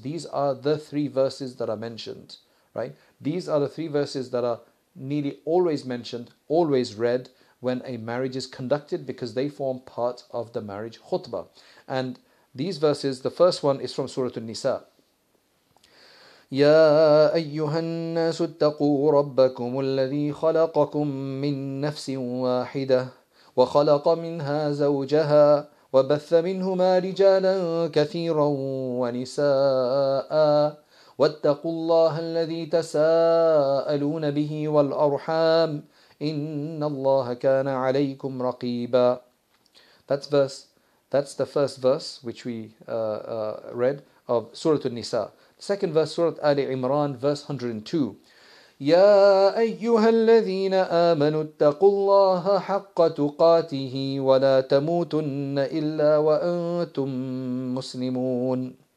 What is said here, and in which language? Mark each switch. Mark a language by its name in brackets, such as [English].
[English] These are the three verses that are mentioned, right? These are the three verses that are nearly always mentioned, always read when a marriage is conducted, because they form part of the marriage khutbah. And these verses, the first one is from Surah An-Nisa. [Arabic] يا أيها الناس اتقوا ربكم الذي خلقكم من نفس واحدة وخلق منها زوجها وبث منهما رجالا كثيرا ونساء واتقوا الله الذي تساءلون به والأرحام إن الله كان عليكم رقيبا. [English] That's the first verse which we read of Surah An-Nisa. Second verse, Surah Ali Imran, verse 102. [Arabic] يَا أَيُّهَا الَّذِينَ آمَنُوا اتَّقُوا اللَّهَ حَقَّ تُقَاتِهِ وَلَا تَمُوتُنَّ إِلَّا وَأَنْتُمْ مُسْلِمُونَ.